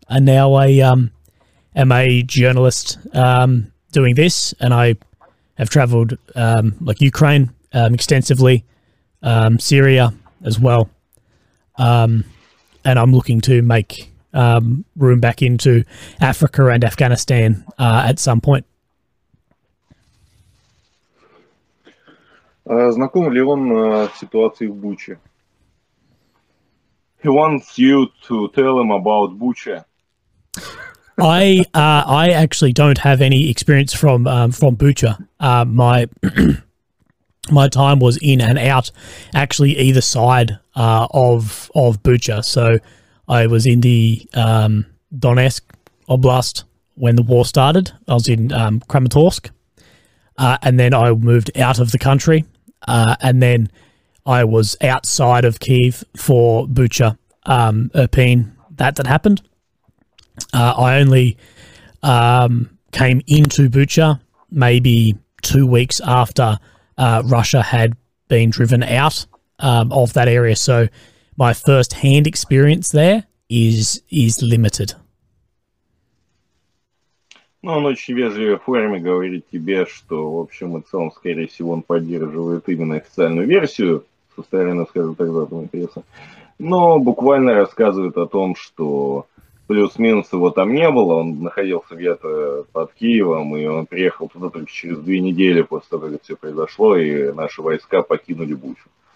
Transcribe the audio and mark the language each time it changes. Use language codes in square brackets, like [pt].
[en] And now I am a journalist doing this, and I have traveled like Ukraine extensively, Syria as well. And I'm looking to make room back into Africa and Afghanistan at some point. [ru] Знаком ли он с ситуацией в Буче? [en] He wants you to tell him about Buche. I actually don't have any experience from Buche. My my time was in and out, actually either side of Bucha. So I was in the Donetsk Oblast when the war started. I was in Kramatorsk, and then I moved out of the country, and then I was outside of Kyiv for Bucha, Irpin, that happened. I only came into Bucha maybe 2 weeks after Russia had been driven out of that area, so my first-hand experience there is limited. [ru] Ну, он очень вежливо в форме говорит тебе, что, в общем и целом, скорее всего, он поддерживает именно официальную версию, со стороны, скажем так, западного интереса, но буквально рассказывает о том, что плюс-минус его там не было, он находился где-то под Киевом, и он приехал туда только через 2 недели после того, как все произошло, и наши войска покинули Бучу.